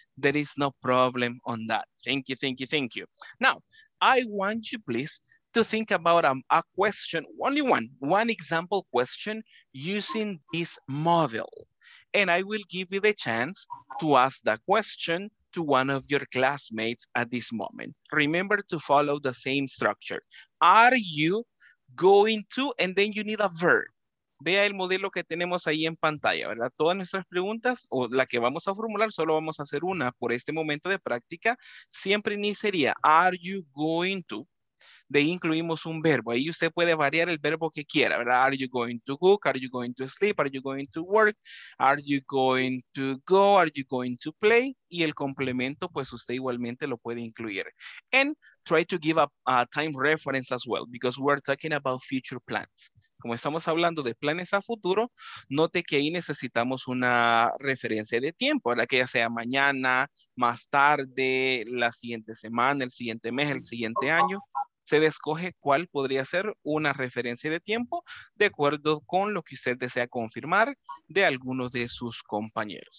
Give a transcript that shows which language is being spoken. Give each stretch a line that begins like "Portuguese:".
English: There is no problem on that. Thank you. Now, I want you please to think about a question, only one example question using this model. and I will give you the chance to ask the question to one of your classmates at this moment. Remember to follow the same structure. Are you going to, and then you need a verb.
Spanish: Vea el modelo que tenemos ahí en pantalla, ¿verdad? Todas nuestras preguntas, o la que vamos a formular, solo vamos a hacer una por este momento de práctica. Siempre iniciaría,
English: are you going to?
Spanish: De ahí incluimos un verbo. Ahí usted puede variar el verbo que quiera, ¿verdad?
English: Are you going to cook? Are you going to sleep? Are you going to work? Are you going to go? Are you going to play?
Spanish: Y el complemento, pues usted igualmente lo puede incluir.
English: And try to give a time reference as well, because we're talking about future plans.
Spanish: Como estamos hablando de planes a futuro, note que ahí necesitamos una referencia de tiempo, ¿verdad? Que ya sea mañana, más tarde, la siguiente semana, el siguiente mes, el siguiente año. Usted escoge cuál podría ser una referencia de tiempo de acuerdo con lo que usted desea confirmar de alguno de sus compañeros.